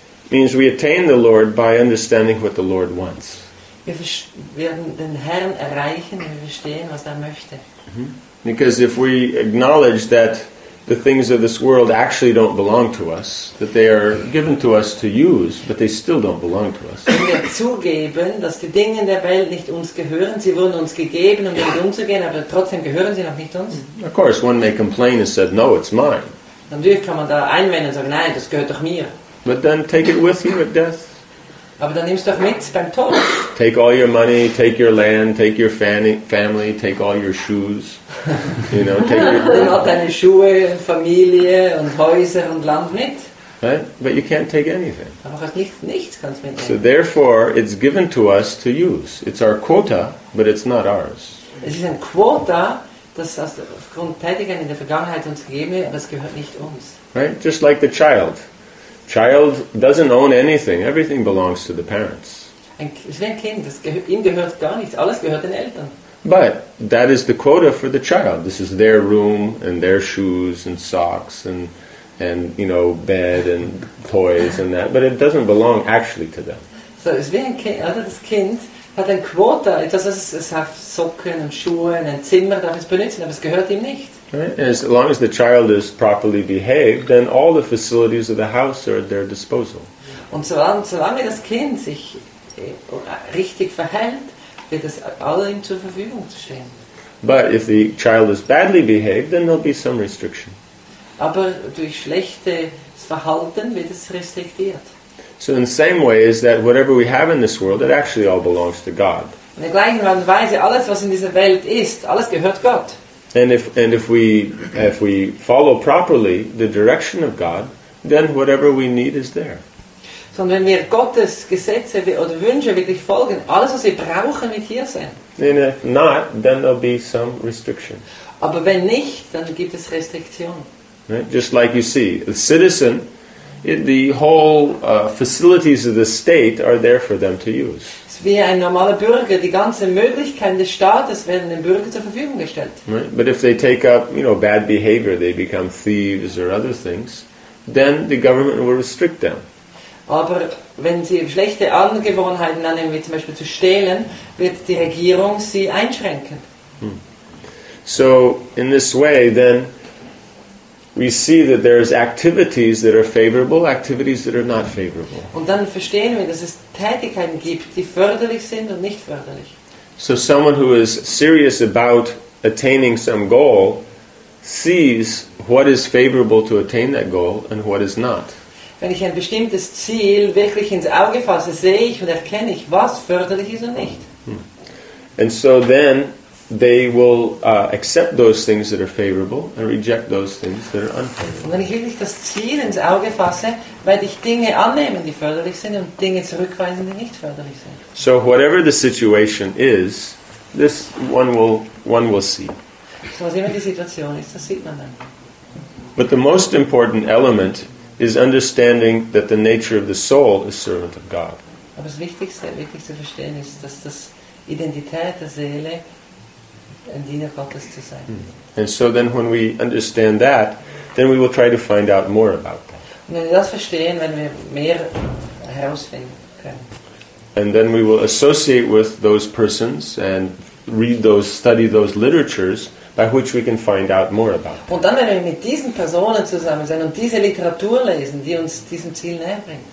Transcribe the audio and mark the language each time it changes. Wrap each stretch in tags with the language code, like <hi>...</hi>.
<en>Means we attain the Lord by understanding what the Lord wants. Because if we acknowledge that the things of this world actually don't belong to us, that they are given to us to use, but they still don't belong to us.</en> <de>Wenn wir zugeben, dass die Dinge in der Welt nicht uns gehören, sie wurden uns gegeben, um damit umzugehen, aber trotzdem gehören sie noch nicht uns.</de> <en>Of course, one may complain and say, no, it's mine.</en> <de>Natürlich kann man da einwenden und sagen, nein, das gehört doch mir.</de> <en>But then take it with you at death.</en> <de>Aber dann nimm's doch mit beim Tod.</de> <en>Take all your money, take your land, take your family, take all your shoes. You know, take your</en> <de>dann hat deine Schuhe, Familie und Häuser und Land mit.</de> <en>Right? But you can't take anything.</en> <de>Aber hast nichts kannst mitnehmen.</de> <en>So therefore, it's given to us to use. It's our quota, but it's not ours.</en> <de>Es ist ein Quota, das aufgrund Tätigkeiten in der Vergangenheit uns gegeben wird, aber es gehört nicht uns.</de> <en>Right? Just like the child. Child doesn't own anything. Everything belongs to the parents.</en> <de>Ein Kind, das ihm gehört gar nichts. Alles gehört den Eltern.</de> <en>But that is the quota for the child. This is their room and their shoes and socks and you know, bed and toys and that. But it doesn't belong actually to them.</en> <de>So es wie ein Kind, oder das Kind hat ein Quota. Es hat Socken und Schuhe und ein Zimmer, darf es benutzen, aber es gehört ihm nicht.</de> <en>Right? As long as the child is properly behaved, then all the facilities of the house are at their disposal.</en> <de>Und solange das Kind sich richtig verhält, wird es allen zur Verfügung stehen.</de> <en>But if the child is badly behaved, then there'll be some restriction.</en> <de>Aber durch schlechtes Verhalten wird es restriktiert.</de> <en>So in the same way is that whatever we have in this world, it actually all belongs to God.</en> <de>In der gleichen Art und Weise, alles was in dieser Welt ist, alles gehört Gott.</de> <en>And if we follow properly the direction of God, then whatever we need is there.</en> <de>So wenn wir Gottes Gesetze oder Wünsche wirklich folgen, alles was wir brauchen wird hier sein.</de> <en>And if not, then there'll be some restriction.</en> <de>Aber wenn nicht, dann gibt es Restriktion.</de> <en>Right? Just like you see, a citizen, the whole facilities of the state are there for them to use.</en> <de>Wie ein normaler Bürger, die ganze Möglichkeit des Staates werden dem Bürger zur Verfügung gestellt.</de> <en>Right. But if they take up, you know, bad behavior, they become thieves or other things, then the government will restrict them.</en> <de>Aber wenn sie schlechte Angewohnheiten annehmen, wie zum Beispiel zu stehlen, wird die Regierung sie einschränken. Hmm.</de> <en>So in this way, then we see that there is activities that are favorable, activities that are not favorable.</en> <de>Und dann verstehen wir, dass es Tätigkeiten gibt, die förderlich sind und nicht förderlich.</de> <en>So someone who is serious about attaining some goal sees what is favorable to attain that goal and what is not.</en> <de>Wenn ich ein bestimmtes Ziel wirklich ins Auge fasse, sehe ich und erkenne ich, was förderlich ist und nicht.</de> <en>And so then they will accept those things that are favorable and reject those things that are unfavorable.</en> <de>Und wenn ich wirklich das Ziel ins Auge fasse, werde ich Dinge annehmen, die förderlich sind, und Dinge zurückweisen, die nicht förderlich sind.</de> <en>So whatever the situation is, this one will see.</en> <de>So was immer die Situation ist, das sieht man dann.</de> <en>But the most important element is understanding that the nature of the soul is servant of God.</en> <de>Aber das Wichtigste, wirklich zu verstehen, ist, dass das Identität der Seele ein Diener Gottes zu sein.</de> <en>And so then when we understand that, then we will try to find out more about that.</en> <de>Und wenn wir das verstehen, wenn wir mehr herausfinden können.</de> <en>And then we will associate with those persons and read those, study those literatures by which we can find out more about</en> <de>them. Und dann werden wir mit diesen Personen zusammen sein und diese Literatur lesen, die uns diesem Ziel näher bringt.</de>